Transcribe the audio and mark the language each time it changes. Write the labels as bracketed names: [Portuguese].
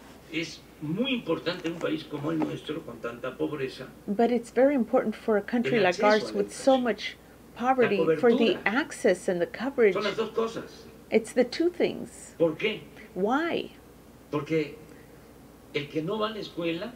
[Spanish] Pero es muy importante un país como el nuestro con tanta pobreza. [English] But it's very important for a country like ours with so much poverty for the access and the coverage. [Spanish] Son las dos cosas. [English] It's the two things. [Spanish] ¿Por qué? [English] Why? [Spanish] Porque el que no va a la escuela,